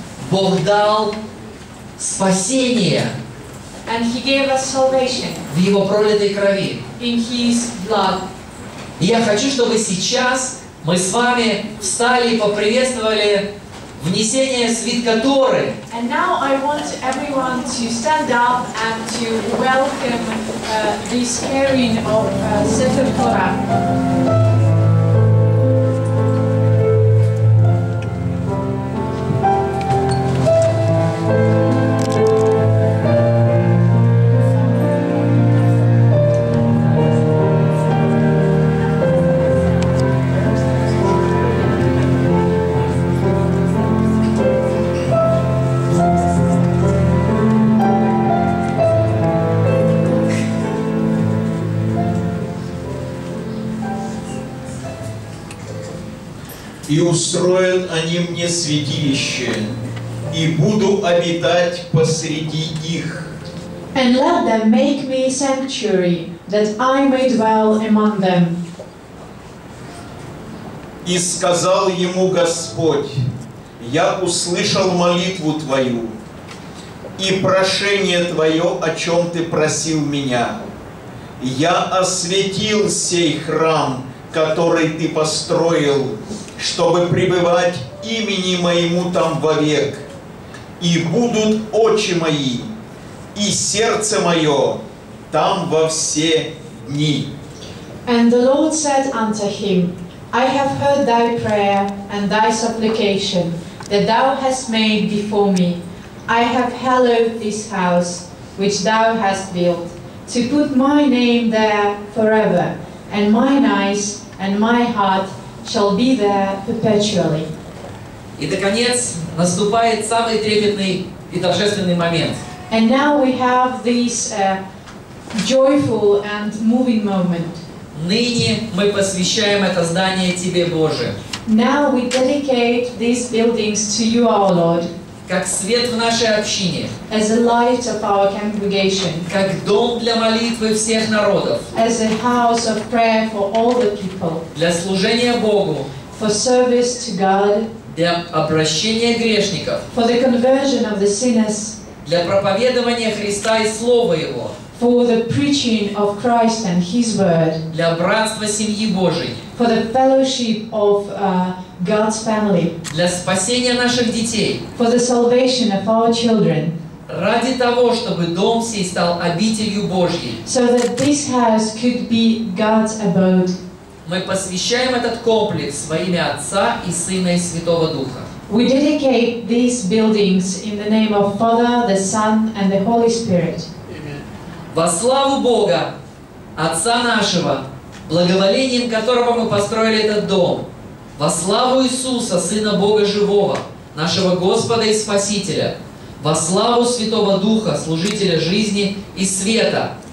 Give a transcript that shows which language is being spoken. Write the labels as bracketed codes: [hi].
[ru] Бог дал спасение. [en] And he gave us salvation. [ru] В его пролитой крови. [en] In his blood. [ru] И я хочу, чтобы сейчас мы с вами встали и поприветствовали внесение свитка Торы. [en] And now I want everyone to stand up and to welcome this carrying of Sefer Torah. [ru] Устроят они мне святилище, и буду обитать посреди их. [en] And let them make me sanctuary, that I may dwell among them. [ru] И сказал ему Господь, я услышал молитву твою, и прошение твое, о чем ты просил меня. Я освятил сей храм, который ты построил, чтобы пребывать имени моему там вовек. И будут очи мои и сердце мое там во все дни. [en] And the Lord said unto him, I have heard thy prayer and thy supplication that thou hast made before me. I have hallowed this house which thou hast built to put my name there forever, and mine eyes and my heart shall be there perpetually. [ru] И наконец наступает самый трепетный и торжественный момент. [en] And now we have this joyful and moving moment. [ru] Ныне мы посвящаем это здание тебе, Боже. [en] Now we dedicate these buildings to you, our Lord. [ru] как свет в нашей общине, [en] as a light of our congregation, [ru] как дом для молитвы всех народов, [en] as a house of prayer for all the people, [ru] для служения Богу, [en] for service to God, [ru] для обращения грешников, [en] for the conversion of the sinners, [ru] для проповедования Христа и Слова Его, [en] for the preaching of Christ and His word, [ru] для братства семьи Божией, [en] for the fellowship of God's family, [ru] для спасения наших детей, [en] for the salvation of our children, [ru] ради того, чтобы дом сей стал обителью Божьей, [en] so that this house could be God's abode. [ru] Мы посвящаем этот комплекс во имя Отца и Сына и Святого Духа. [en] We dedicate these buildings in the name of Father, the Son, and the Holy Spirit. [ru] Во славу Бога, Отца нашего, благоволением которого мы построили этот дом, во славу Иисуса, Сына Бога Живого, нашего Господа и Спасителя, во славу Святого Духа, Служителя жизни и света,